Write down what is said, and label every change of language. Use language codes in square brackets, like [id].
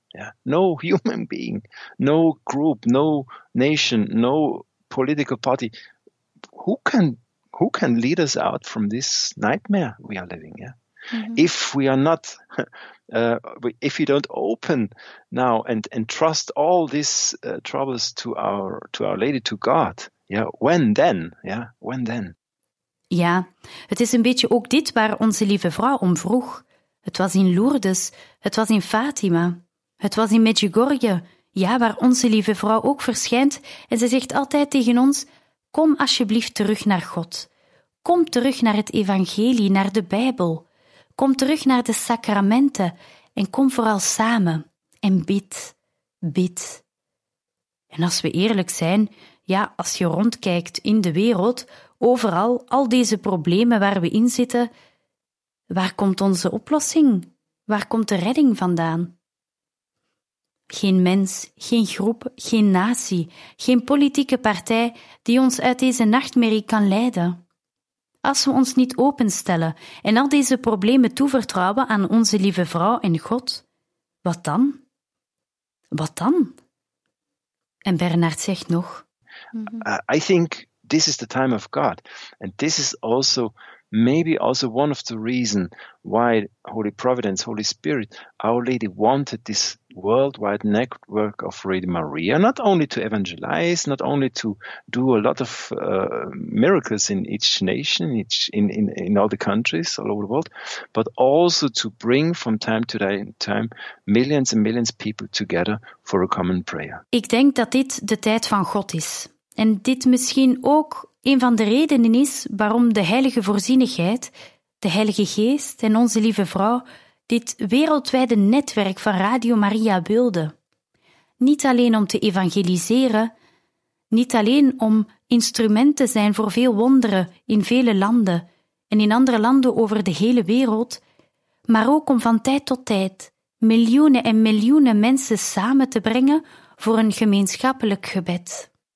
[en] Yeah, no human being, no group, no nation, no political party, who can lead us out from this nightmare we are living? Yeah, mm-hmm. If we are not, if we don't open now and trust all these troubles to our Lady, to God, yeah, when then? [nl] Ja, het is een beetje ook dit waar Onze Lieve Vrouw om vroeg. Het was in Lourdes, het was in Fatima, het was in Medjugorje, ja, waar Onze Lieve Vrouw ook verschijnt en ze zegt altijd tegen ons: kom alsjeblieft terug naar God. Kom terug naar het evangelie, naar de Bijbel. Kom terug naar de sacramenten en kom vooral samen en bid. En als we eerlijk zijn, ja, als je rondkijkt in de wereld, overal, al deze problemen waar we in zitten, waar komt onze oplossing? Waar komt de redding vandaan? Geen mens, geen groep, geen natie, geen politieke partij die ons uit deze nachtmerrie kan leiden. Als we ons niet openstellen en al deze problemen toevertrouwen aan Onze Lieve Vrouw en God, wat dan? Wat dan? En Bernard zegt nog: [en] I think this is the time of God. And this is also maybe also one of the reasons why Holy Providence, Holy Spirit, Our Lady wanted this worldwide network of Radio Maria, not only to evangelize, not only to do a lot of miracles in each nation, in all the countries all over the world, but also to bring from time to time millions and millions of people together for a common prayer. [nl] Ik denk dat dit de tijd van God is. En dit misschien ook een van de redenen is waarom de Heilige Voorzienigheid, de Heilige Geest en Onze Lieve Vrouw dit wereldwijde netwerk van Radio Maria wilden. Niet alleen om te evangeliseren, niet alleen om instrument te zijn voor veel wonderen in vele landen en in andere landen over de hele wereld, maar ook om van tijd tot tijd miljoenen en miljoenen mensen samen te brengen voor een gemeenschappelijk gebed.